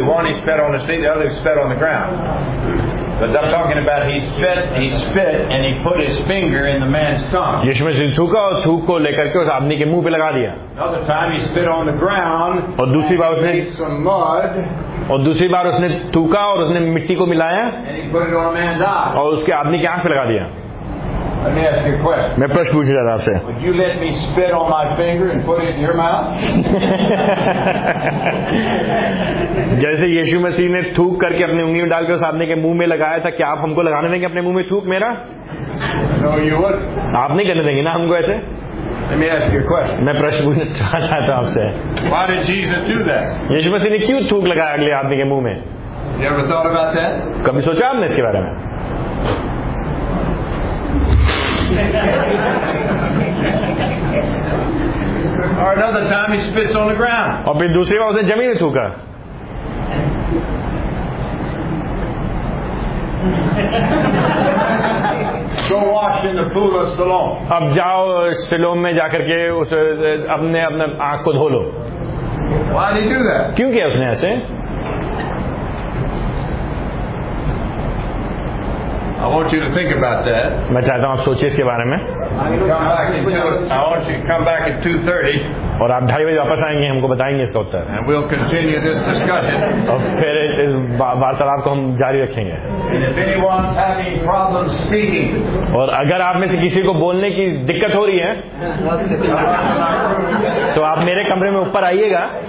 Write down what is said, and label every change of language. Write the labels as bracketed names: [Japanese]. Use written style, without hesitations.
[English] One he spit on his feet, the other he spit on the ground. But I'm talking about he spit and he put his finger in the man's tongue. [Hindi] यीशु मसीह ने थूका और थूक को लेकर के उस आदमी के मुंह पे लगा दिया. [English] Another time he spit on the ground. [Hindi] और दूसरी बार उसने [English] some mud. [Hindi] और दूसरी बार उसने थूका और उसने मिट्टी को मिलाया. [English] And he put it on a man's eye. [Hindi] और उसके आदमी की आंख पे लगा दिया. [English] Let me ask you a question. [Hindi] मैं प्रश्न पूछ रहा था आपसे. [English] Would you let me spit on my finger and put it in your mouth? [Hindi] जैसे यीशु मसीह ने थूक करके अपनी उंगली में डालकर सामने के मुंह में लगाया था, क्या आप हमको लगाने देंगे अपने मुंह में थूक मेरा? [English] No, you would. [Hindi] आप नहीं करने देंगे ना हमको ऐसे? [English] Let me ask you a question. [Hindi] मैं प्रश्न पूछना चाहता था आपसे. [English] Why did Jesus do that? [Hindi] यीशु मसीह ने क्यों थूक लगाया अगले आदमी के मुंह में? [English] You ever thought about that? [Hindi] कभी सोचा आपने इसके बारे में? [English] Or another time he spits on the ground. [Hindi] और फिर दूसरी बार उसने जमीन में थूका. [English] Go wash in the pool of Siloam. [Hindi] अब जाओ सिलोम में जाकर के उस अपने अपने आंख को धो लो. [English] Why did he do that? [Hindi] क्यों किया उसने ऐसे? [English] I want you to think about that. [Hindi] मैं चाहता हूँ आप सोचिए इसके बारे में. [English] I want you to come back at 2:30. [Hindi] और आप 2:30 बजे वापस आएंगे, हमको बताएंगे इसका उत्तर. [English] And we'll continue this discussion. [Hindi] और फिर इस वार्तालाप को हम जारी रखेंगे. [English] And if anyone's having problems speaking. [Hindi] और अगर आप में से किसी को बोलने की दिक्कत हो रही है तो आप मेरे कमरे में ऊपर आइएगा.